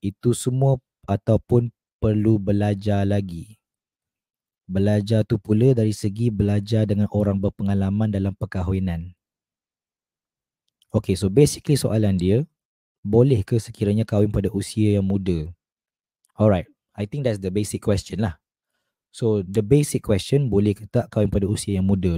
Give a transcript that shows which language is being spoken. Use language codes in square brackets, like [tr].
[ms] Itu semua ataupun perlu belajar lagi? Belajar tu pula dari segi belajar dengan orang berpengalaman dalam perkahwinan. Okay, [en] so basically [ms] soalan dia, boleh ke sekiranya kahwin pada usia yang muda? [en] Alright, I think that's the basic question lah. So the basic question, [ms] boleh ke tak kahwin pada usia yang muda?